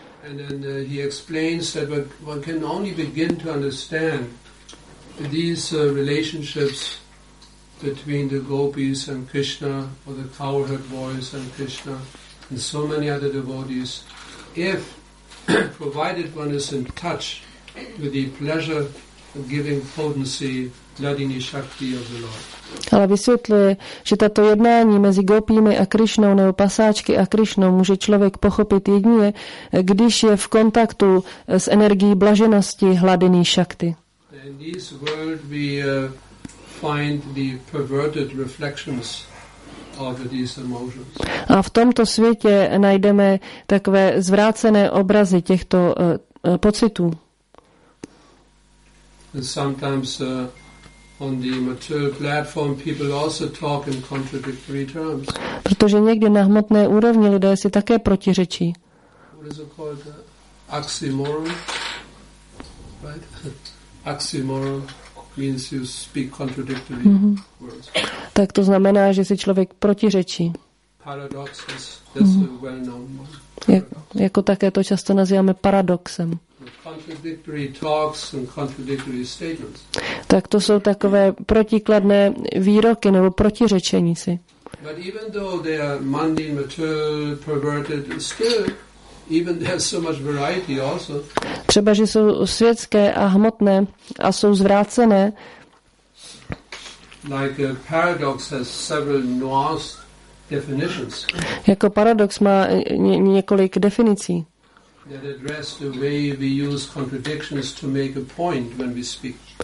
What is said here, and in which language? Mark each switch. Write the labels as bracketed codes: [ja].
[en] And then he explains that one can only begin to understand these relationships between the gopis and Krishna, or the cowherd boys and Krishna, and so many other devotees, if provided one is in touch with the pleasure-giving potency, Ladini Shakti of the Lord. [cs] Ale vysvětluje, že tato jednání mezi gopími a Krišnou nebo pasáčky a Krišnou může člověk pochopit jedině, když je v kontaktu s energií blaženosti Ladini Shakti. [en] In this world we find the perverted reflections of these emotions. [cs] A v tomto světě najdeme takové zvrácené obrazy těchto pocitů. [en] And sometimes on the material platform people also talk in contradictory terms. [cs] Protože někdy na hmotné úrovni lidé si také protiřečí. [en] What is it called? Oxymoron? Right? Oxymoron means you speak contradictory words. [cs] Tak to znamená, že si člověk protiřečí. [en] Paradox is that's a well-known one. [cs] Jako také to často nazýváme paradoxem. [en] Contradictory talks and contradictory statements. [cs] Tak to jsou takové protikladné výroky nebo protiřečení si. [en] But even though they are mundane, material, perverted, still. Even there's so much variety also. [cs] Třeba, že jsou světské a hmotné a jsou zvrácené. [en] Like a paradox has several nuanced definitions. [cs] Jako paradox má několik definicí. [en] That address the way we use contradictions to make a point when we speak.